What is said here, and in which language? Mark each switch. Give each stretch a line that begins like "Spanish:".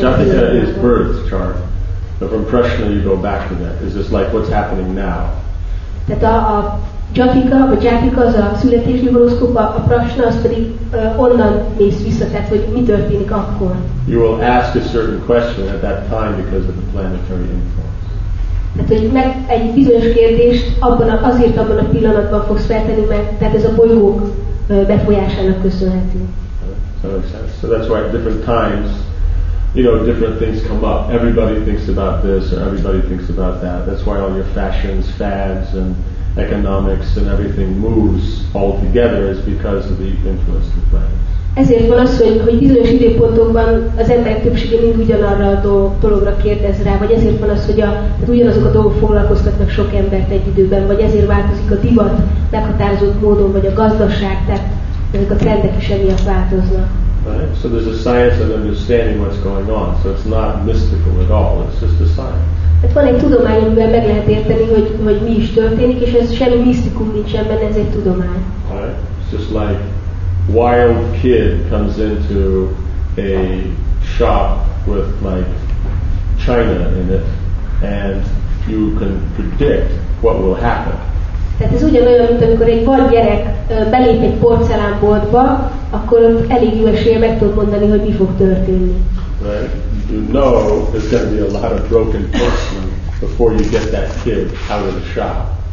English: So Jataka is birth chart, but from Prashna you go back to that. Is this like what's happening now?
Hungarian: Tehát a Jataka, vagy Jataka az a születési horoszkóp, a Prashna az pedig onnan néz vissza, tehát hogy mi történik akkor.
English: You will ask a certain question at that time because of the planetary influence.
Hungarian: Tehát, hogy meg egy bizonyos kérdést abban a pillanatban fogsz feltenni, mert tehát ez a bolygók befolyásának köszönhető.
English: So that's why at different times, you know, different things come up. Everybody thinks about this, or everybody thinks about that. That's why all your fashions, fads, and economics, and everything moves all together is because of the influence of planets.
Hungarian: Ezért van az, hogy bizonyos időpontokban az emberek többsége mind ugyanarra a dologra kérdez rá, vagy ezért van az, hogy ugyanazok a dolgok foglalkoztatnak sok embert egy időben, vagy ezért változik a divat meghatározott módon, vagy a gazdaság, tehát ezek a trendek is emiatt változnak.
English: Right. So there's a science of understanding what's going on, so it's not mystical at all, it's just a science.
Hungarian: Hát van egy tudomány, amivel meg lehet érteni, hogy mi is történik, és ez semmi misztikum nincsen benne, ez egy tudomány.
English: Right. It's just like wild kid comes into a shop with like china in it and you can predict what will happen.
Hungarian: Tehát ez ugyanolyan, mint amikor egy vad gyerek belép egy porcelánboltba, akkor ott elég jó esélye meg tud mondani, hogy mi fog történni.
English: Right? You know there's going to be a lot of broken porcelain before you get that kid out of the shop.